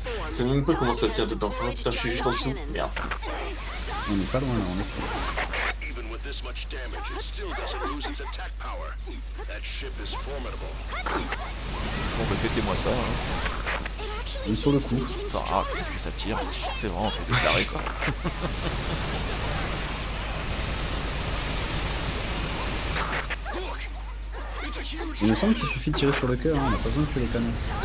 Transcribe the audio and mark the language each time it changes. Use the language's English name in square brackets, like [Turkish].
[French] C'est même pas comment ça tient tout le temps. Oh, putain, je suis juste en dessous. Merde. On est pas loin, là, on est pas loin. [English] This much damage, it still doesn't lose its attack power. That ship is formidable. [French] Bon, bah, pétez-moi ça, hein. Il est sur le coup. Enfin, ah, qu'est-ce que ça tire? C'est vraiment fait déclarer, quoi. Il me semble qu'il suffit de tirer sur le cœur, hein. On a pas besoin de tuer les canons.